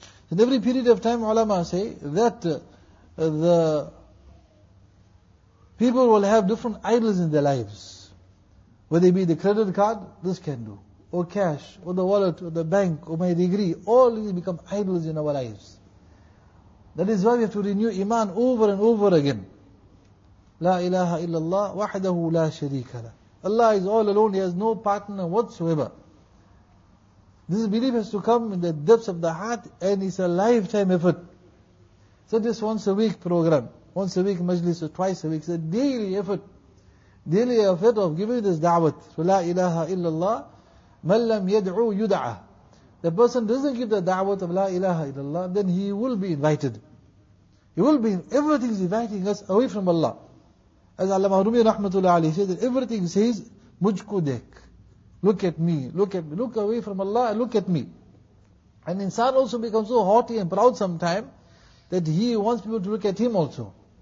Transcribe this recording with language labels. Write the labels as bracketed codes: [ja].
[en] In every period of time, ulama say that the people will have different idols in their lives. Whether it be the credit card, this can do. Or cash, or the wallet, or the bank, or my degree. All these become idols in our lives. That is why we have to renew iman over and over again. [ar] لا إله إلا الله وحده لا شريك له. [en] Allah is all alone, He has no partner whatsoever. This belief has to come in the depths of the heart, and it's a lifetime effort. So this once a week program, once a week majlis, or twice a week, it's a daily effort. Daily effort of giving this da'wat. So [ar] لا إله إلا الله من لم يدعو يدعى. [en] The person doesn't give the da'wat of la ilaha illallah, then he will be invited. Everything is inviting us away from Allah. As Allama Rumi rahmatullah alayhi says, that everything says, mujkudek. Look at me, look at me, look away from Allah, look at me. And insan also becomes so haughty and proud sometime, that he wants people to look at him also.